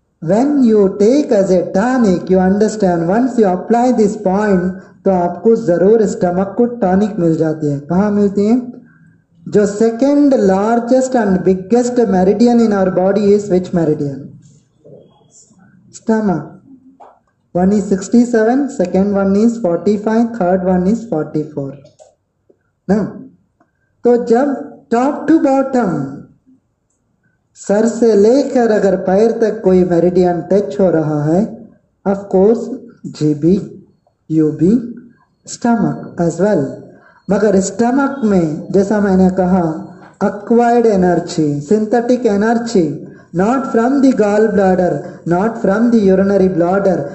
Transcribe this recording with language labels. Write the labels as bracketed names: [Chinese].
[English] when you take as a tonic you understand once you apply this point [Hindi] तो आपको जरूर stomach को tonic मिल जाती है कहाँ मिलती है जो [English] Second largest and biggest meridian in our body is which meridian stomach One is 67, second one is 45, third one is 44. [Hindi] ना, तो जब टॉप टू बॉटम सर से लेकर अगर पैर तक कोई मेरिडियन टच हो रहा है, [English] of course GB UB stomach as well, [Hindi] मगर स्टमक में जैसा मैंने कहा [English] Acquired energy synthetic energy not from the gall bladder not from the urinary bladder.